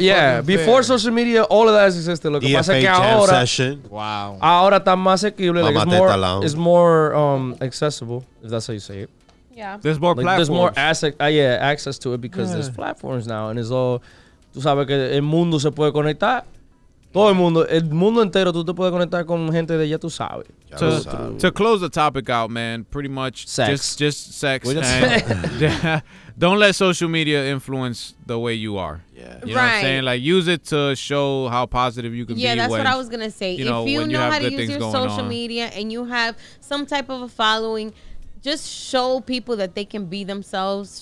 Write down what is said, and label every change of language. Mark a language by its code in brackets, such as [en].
[en] Yeah, before social media, all of that has existed. [es] Lo que pasa que ahora. [en] Session. Wow. [es] Ahora está más asequible. [en] It's more accessible, if that's how you say it. Yeah. There's more platforms. There's more access to it because there's platforms now. And it's all, [es] tú sabes que el mundo se puede conectar. Todo el mundo entero, tú te puedes conectar con gente de ya tú sabes. [en] To close the topic out, man, pretty much sex. Just sex. And don't let social media influence the way you are. Yeah. You know what I'm saying? Like, use it to show how positive you can be. Yeah, that's what I was going to say. You know, if you know how to use your social media and you have some type of a following, just show people that they can be themselves.